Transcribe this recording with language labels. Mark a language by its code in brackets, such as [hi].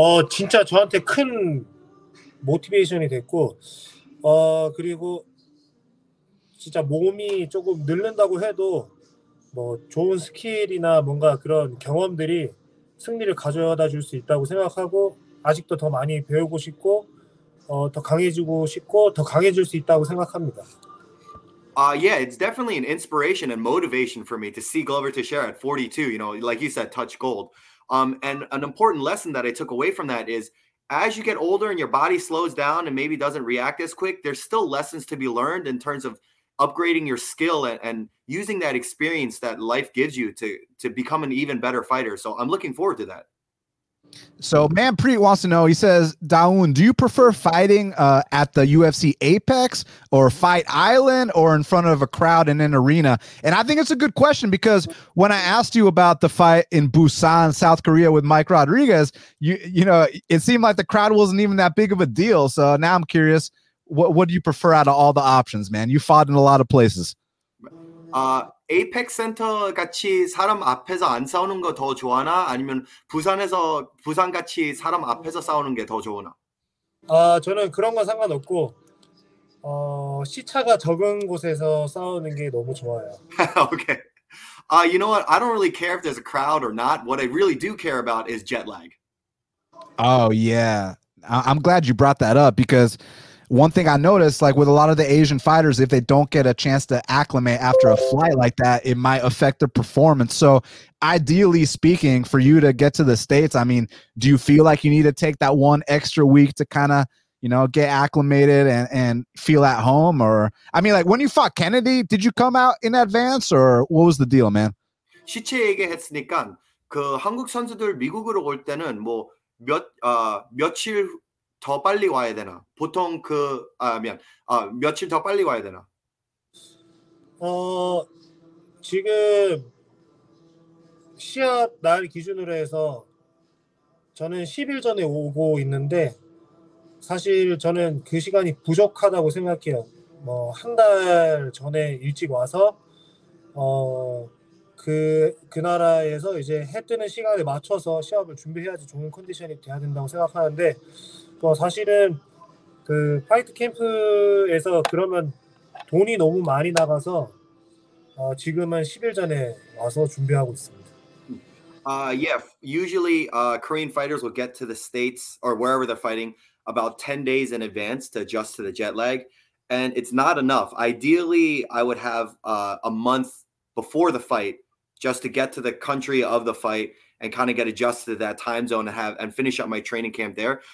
[ko] 진짜 저한테 큰 모티베이션이 됐고 그리고 진짜 몸이 조금 늘른다고 해도 뭐 좋은 스킬이나 뭔가 그런 경험들이 승리를 가져다 줄 수 있다고 생각하고 아직도 더 많이 배우고 싶고 더 강해지고 싶고 더 강해질 수 있다고 생각합니다. [en] Yeah, it's definitely an inspiration and motivation for me to see Glover Teixeira at 42, you know, like you said, touch gold. And an important lesson that I took away from that is as you get older and your body slows down and maybe doesn't react as quick, there's still lessons to be learned in terms of upgrading your skill and using that experience that life gives you to become an even better fighter. So I'm looking forward to that. So Manpreet wants to know, he says, Daun, do you prefer fighting at the UFC Apex or Fight Island or in front of a crowd in an arena? And I think it's a good question because when I asked you about the fight in Busan, South Korea with Mike Rodriguez, you know, it seemed like the crowd wasn't even that big of a deal. So now I'm curious, what do you prefer out of all the options, man? You fought in a lot of places. [ko] Apex Center 같이 사람 앞에서 안 싸우는 거 더 좋아나 아니면 부산에서 부산 같이 사람 앞에서 싸우는 게 더 좋으나? 저는 그런 건 상관없고 시차가 적은 곳에서 싸우는 게 너무 좋아요. [en] Okay. You know what? I don't really care if there's a crowd or not. What I really do care about is jet lag. Oh yeah. I'm glad you brought that up because one thing I noticed, like with a lot of the Asian fighters, if they don't get a chance to acclimate after a flight like that, it might affect their performance. So ideally speaking, for you to get to the States, I mean, do you feel like you need to take that one extra week to kind of, you know, get acclimated and feel at home? Or, I mean, like when you fought Kennedy, did you come out in advance or what was the deal, man? [ko] 시체 얘기했으니까 그 한국 선수들 미국으로 올 때는 뭐 며칠 더 빨리 와야 되나? 보통 그 며칠 더 빨리 와야 되나? 지금 시합 날 기준으로 해서 저는 10일 전에 오고 있는데 사실 저는 그 시간이 부족하다고 생각해요. 뭐 한 달 전에 일찍 와서 그 나라에서 이제 해 뜨는 시간에 맞춰서 시합을 준비해야지 좋은 컨디션이 돼야 된다고 생각하는데 뭐 사실은 그 파이트 캠프에서 그러면 돈이 너무 많이 나가서 지금은 10일 전에 와서 준비하고 있습니다. [en] Yeah, usually Korean fighters will get to the States or wherever they're fighting about 10 days in advance to adjust to the jet lag. And it's not enough. Ideally, I would have a month before the fight just to get to the country of the fight and kind of get adjusted to that time zone and finish up my training camp there.